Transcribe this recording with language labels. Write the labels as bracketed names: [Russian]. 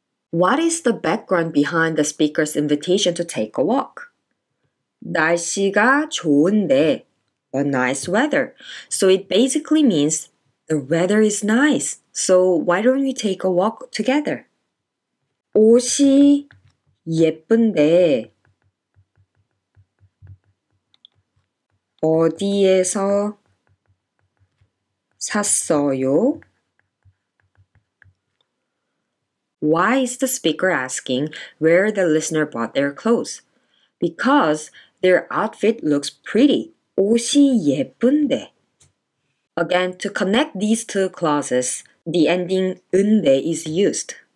[English] What is the background behind the speaker's invitation to take a walk? [Korean] 날씨가 좋은데, [English] a nice weather. So it basically means the weather is nice, so why don't we take a walk together? [Korean] 옷이 예쁜데 어디에서 샀어요? [English] Why is the speaker asking where the listener bought their clothes? Because their outfit looks pretty. [Korean] 옷이 예쁜데. [English] Again, to connect these two clauses, the ending 은데 is used.